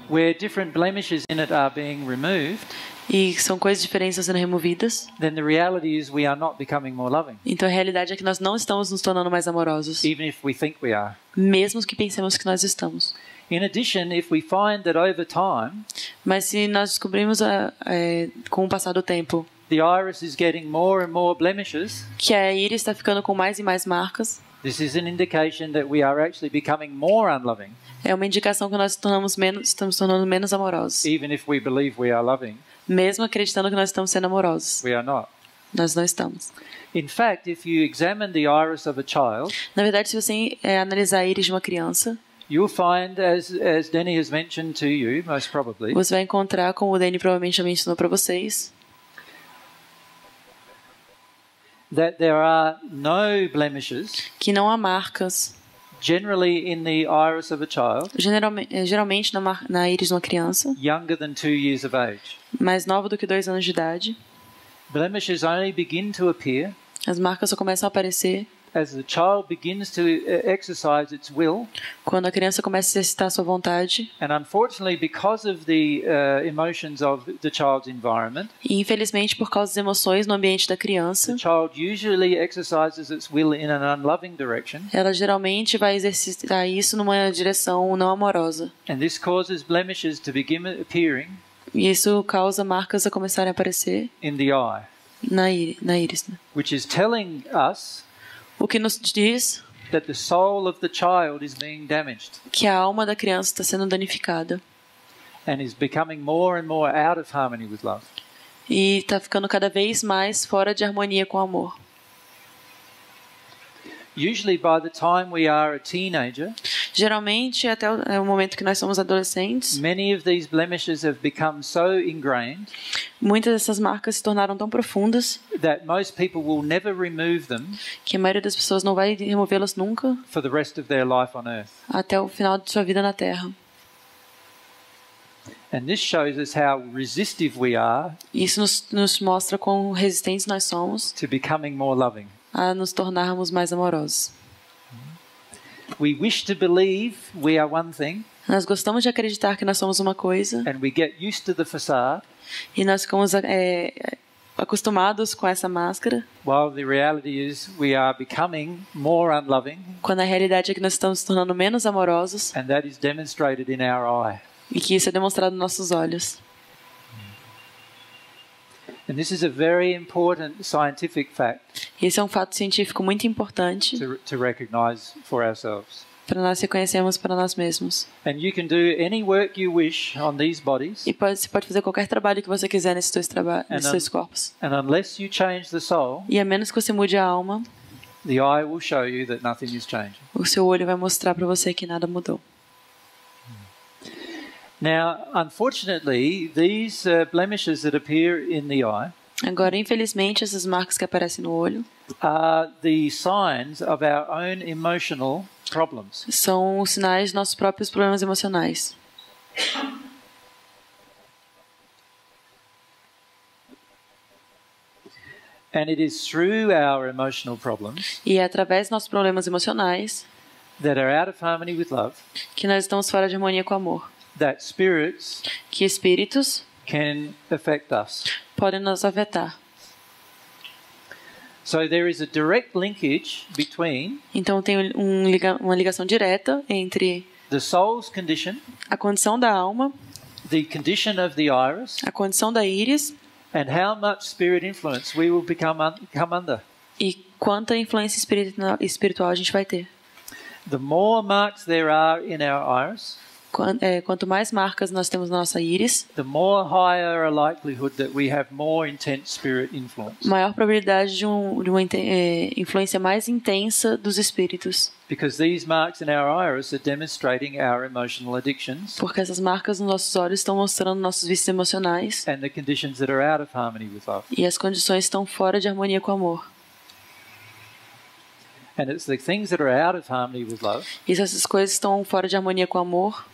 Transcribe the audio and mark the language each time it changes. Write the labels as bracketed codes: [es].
[en] Where different blemishes in it are being removed. [pt] E são coisas diferentes sendo removidas. [en] Then the reality is we are not becoming more loving. [pt] Então a realidade é que nós não estamos nos tornando mais amorosos. [en] Even if we think we are. [pt] Mesmo que pensemos que nós estamos. [en] In addition, if we find that over time, [pt] mas se nós descobrimos com o passar do tempo, [en] the iris is getting more and more blemishes, [pt] que a íris está ficando com mais e mais marcas. [en] This is an indication that we are actually becoming more unloving. [pt] É uma indicação que nós estamos tornando menos amorosos. [en] Even if we believe we are loving. [pt] Mesmo acreditando que nós estamos sendo amorosos. [en] We are not. [pt] Nós não estamos. [en] In fact, if you examine the iris of a child, [pt] na verdade, se você analisar a íris de uma criança, [en] you'll find, as Denny has mentioned to you, most probably, [pt] você vai encontrar, como o Denny provavelmente já mencionou para vocês, [en] that there are no blemishes, [pt] que não há marcas, [en] generally in the iris of a child, [pt] geralmente na íris de uma criança, [en] younger than 2 years of age. [pt] Mais nova do que 2 anos de idade. [en] Blemishes only begin to appear. [pt] As marcas só começam a aparecer. [en] As the child begins to exercise its will. [pt] Quando a criança começa a exercitar sua vontade. [en] And unfortunately, because of the emotions of the child's environment. [pt] E infelizmente por causa das emoções no ambiente da criança. [en] The child usually exercises its will in an unloving direction. [pt] Ela geralmente vai exercitar isso numa direção não amorosa. [en] And this causes blemishes to begin appearing. [pt] E isso causa marcas a começarem a aparecer [en] in the eye, [pt] na íris, né? [en] Which is telling us, [pt] o que nos diz [en] that the soul of the child is being damaged, [pt] que a alma da criança está sendo danificada [en] and is becoming more and more out of harmony with love. [pt] E está ficando cada vez mais fora de harmonia com o amor. [en] Usually by the time we are a teenager, [pt] geralmente até o momento que nós somos adolescentes, [en] many of these blemishes have become so ingrained, [pt] muitas dessas marcas se tornaram tão profundas, [en] that most people will never remove them, [pt] que a maioria das pessoas não vai removê-las nunca, [en] for the rest of their life on earth, [pt] até o final de sua vida na Terra. [en] And this shows us how resistive we are, [pt] isso nos mostra quão resistentes nós somos, [en] to becoming more loving, [pt] a nos tornarmos mais amorosos. [en] We wish to believe we are one thing, [pt] nós gostamos de acreditar que nós somos uma coisa, [en] and we get used to the facade, [pt] e nós ficamos acostumados com essa máscara, [en] while the reality is we are becoming more unloving, [pt] quando a realidade é que nós estamos nos tornando menos amorosos, [en] and that is demonstrated in our eye, [pt] e que isso é demonstrado nos nossos olhos. [en] And this is a very important scientific fact. [pt] Esse é um fato científico muito importante. [en] To recognize for ourselves. [pt] Para nós reconhecermos para nós mesmos. [en] And you can do any work you wish on these bodies. [pt] E você pode fazer qualquer trabalho que você quiser nesses dois nesses corpos. [en] And unless you change the soul. [pt] E a menos que você mude a alma. [en] The eye will show you that nothing is changing. [pt] O seu olho vai mostrar para você que nada mudou. [en] Now, unfortunately, these blemishes that appear in the eye, [pt] agora, infelizmente, essas marcas que aparecem no olho, [en] are the signs of our own emotional problems. [pt] São os sinais de nossos próprios problemas emocionais. [en] And it is through our emotional problems, [pt] e é através dos nossos problemas emocionais, [en] that are out of harmony with love, [pt] que nós estamos fora de harmonia com o amor. [en] That spirits, [pt] que espíritos, [en] can affect us, [pt] podem nos afetar. [en] So there is a direct linkage between, [pt] então tem uma ligação direta entre [en] the soul's condition, [pt] a condição da alma, [en] the condition of the iris, [pt] a condição da íris, [en] and how much spirit influence we will become come under, [pt] e quanta influência espiritual a gente vai ter. [en] The more marks there are in our iris, [pt] quanto mais marcas nós temos na nossa íris, [en] the more higher a likelihood that we have more intense spirit influence. [pt] Maior probabilidade de influência mais intensa dos espíritos. [en] Because these marks in our iris are demonstrating our emotional addictions. [pt] Porque essas marcas nos nossos olhos estão mostrando nossos vícios emocionais. [en] And the conditions that are out of harmony with love. [pt] E as condições estão fora de harmonia com o amor. [en] And it's the things that are out of harmony with love. [pt] E essas coisas estão fora de harmonia com o amor.